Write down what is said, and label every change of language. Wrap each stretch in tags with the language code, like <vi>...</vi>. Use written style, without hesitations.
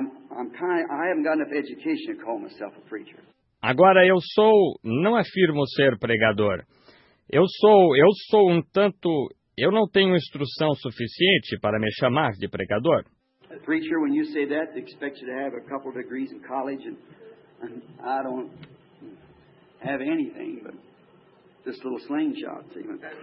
<en>I haven't got enough education to call myself a preacher.</en> <pt>Agora eu sou, não afirmo ser pregador. Eu sou um tanto, eu não tenho instrução suficiente para me chamar de pregador.</pt> <en>A preacher, when you say that, they expect you to have a couple of degrees in college, and I don't have anything but this little slingshot, even.</en>